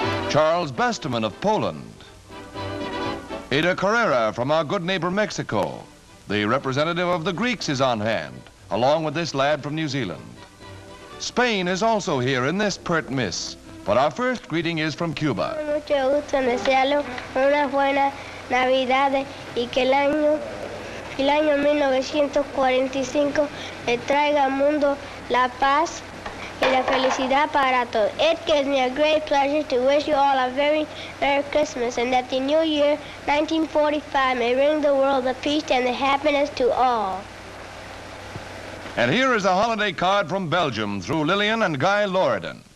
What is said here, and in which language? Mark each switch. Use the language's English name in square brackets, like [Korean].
[English] Charles Besteman of Poland. Ada Carrera from our good neighbor Mexico. The representative of the Greeks is on hand, along with this lad from New Zealand. Spain is also here in this pert miss, but our first greeting is from Cuba. [Spanish] Mucho gusto, desearlo una buena Navidad y que el año 1945 le traiga al mundo la paz. [English] It gives me a great pleasure to wish you all a very Merry Christmas and that the new year 1945 may bring the world the peace and the happiness to all. And here is a holiday card from Belgium through Lillian and Guy Loredan.